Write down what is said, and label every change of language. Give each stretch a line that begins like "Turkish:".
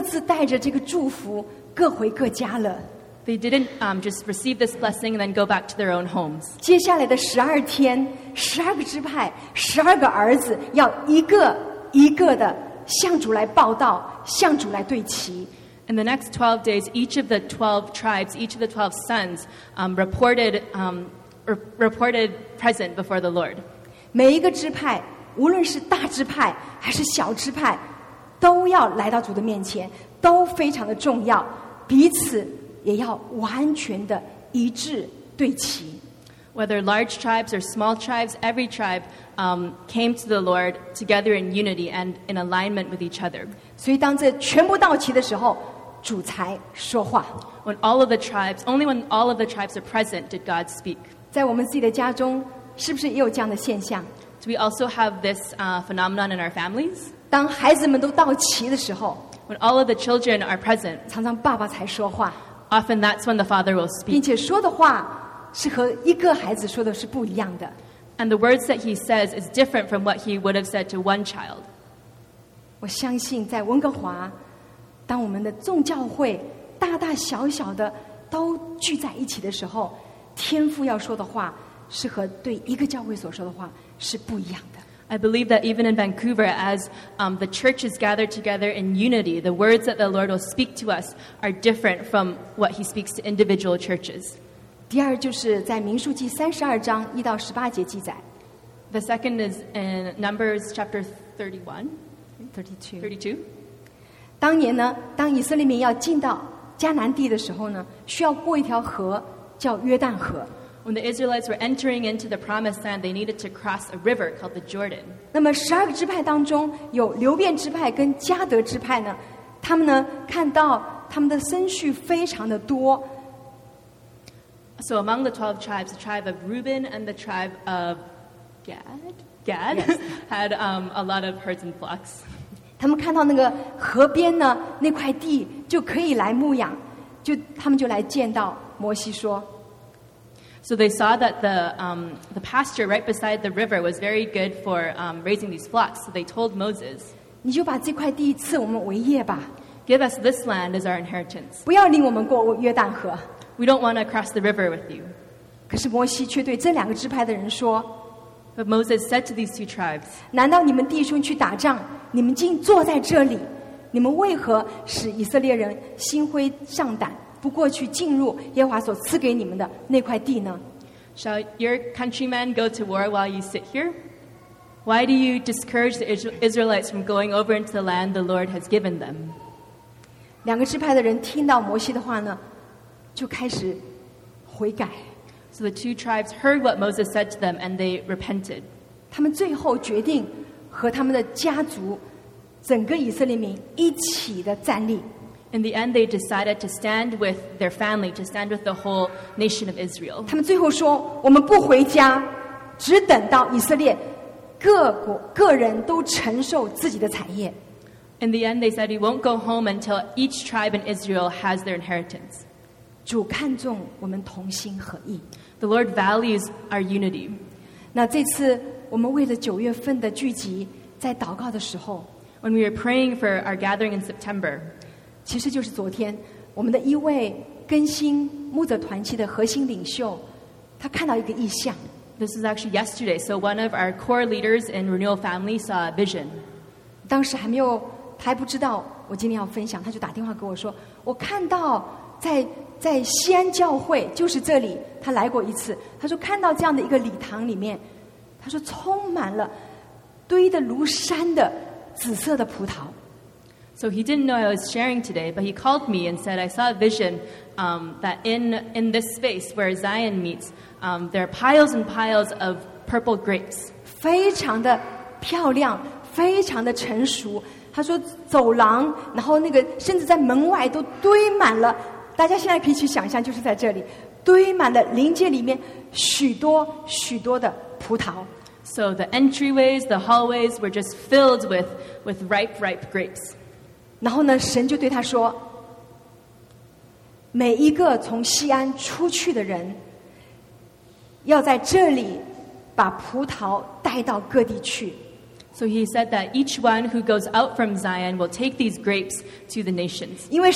Chinese: 不是紧接着就各自带着这个祝福各回各家了。
English: They didn't just receive this blessing and then go back to their own homes.
Chinese: 接下来的12天, 12个支派, 12个儿子, 要一个一个地向主来报道, 向主来对齐。
English: In the next 12 days, each of the 12 tribes, each of the 12 sons, reported present before the Lord.
Chinese: 每一个支派, 无论是大支派, 还是小支派, 都要来到主的面前, 都非常的重要, 彼此, 也要完全的一致对齐。
English: Whether large tribes or small tribes, every tribe came to the Lord together in unity and in alignment with each other.
Chinese: 所以当这全部到齐的时候, 主才说话。
English: When all of the tribes, only when all of the tribes are present, did God speak.
Chinese: 在我们自己的家中, 是不是也有这样的现象?
English: Do we also have this phenomenon in our families?
Chinese: 当孩子们都到齐的时候,
English: when all of the children are present,
Chinese: 常常爸爸才说话。
English: Often that's when the father will speak.
Chinese: 并且说的话是和一个孩子说的是不一样的。
English: And the words that he says is different from what he would have said to one child.
Chinese: 我相信在温哥华, 当我们的众教会大大小小的都聚在一起的时候, 天父要说的话是和对一个教会所说的话是不一样的。
English: I believe that even in Vancouver, as the church is gathered together in unity, the words that the Lord will speak to us are different from what he speaks to individual churches.
Chinese: 第二就是在民数记32章1到18节记载。
English: The second is in Numbers chapter 31. 32.
Chinese: 当年呢, 当以色列民要进到迦南地的时候呢, 需要过一条河, 叫约旦河。
English: When the Israelites were entering into the Promised Land, they needed to cross a river called the Jordan.
Chinese: 那么12个支派当中有流便支派跟迦德支派呢, 他们呢, 看到他们的僧畜非常的多。
English: So among the 12 tribes, the tribe of Reuben and the tribe of Gad? Yes. Had a lot of herds and flocks.
Chinese: 他们看到那个河边呢, 那块地就可以来牧养, 他们就来见到摩西说,
English: So they saw that the pasture right beside the river was very good for raising these flocks. So they told Moses,
Chinese: 你就把这块地赐我们为业吧。
English: Give us this land as our inheritance.
Chinese: 不要领我们过约旦河。
English: We don't want to cross the river with you.
Chinese: 可是摩西却对这两个支派的人说,
English: But Moses said to these two tribes,
Chinese: 难道你们弟兄去打仗, 你们竟坐在这里, 你们为何使以色列人心灰上胆, 不过去进入耶和华所赐给你们的那块地呢?
English: Shall your countrymen go to war while you sit here? Why do you discourage the Israelites from going over into the land the Lord has given them?
Chinese: 两个支派的人听到摩西的话呢, 就开始悔改。
English: So the two tribes heard what Moses said to them and they repented.
Chinese: 他们最后决定和他们的家族, 整个以色列民一起的站立。
English: In the end, they decided to stand with their family, to stand with the whole nation of Israel.
Chinese: 他们最后说, 我们不回家, 只等到以色列各人都承受自己的产业。
English: In the end, they said, we won't go home until each tribe in Israel has their inheritance.
Chinese: 主看重我们同心合意。
English: The Lord values our unity.
Chinese: 那这次我们为了九月份的聚集, 在祷告的时候,
English: when we were praying for our gathering in September,
Chinese: 其实就是昨天, 我们的一位更新牧者团契的核心领袖, 他看到一个异象。
English: This is actually yesterday. So one of our core leaders in Renewal Family saw a vision.
Chinese: 当时还没有, 他还不知道我今天要分享, 他就打电话给我说, 我看到在西安教会, 就是这里, 他来过一次, 他说看到这样的一个礼堂里面, 他说充满了堆的如山的紫色的葡萄。
English: So he didn't know I was sharing today, but he called me and said, I saw a vision that in this space where Zion meets, there are piles and piles of purple grapes.
Chinese: 非常的漂亮, 非常的成熟, 他说走廊, 然后那个甚至在门外都堆满了, 大家现在可以去想象, 就是在这里, 堆满了临界里面许多许多的葡萄。
English: So the entryways, the hallways were just filled with ripe, ripe grapes.
Chinese: 然后呢, 神就对他说, 每一个从西安出去的人, 要在这里把葡萄带到各地去。
English: So he said that each one who goes out from Zion will take these grapes to the nations.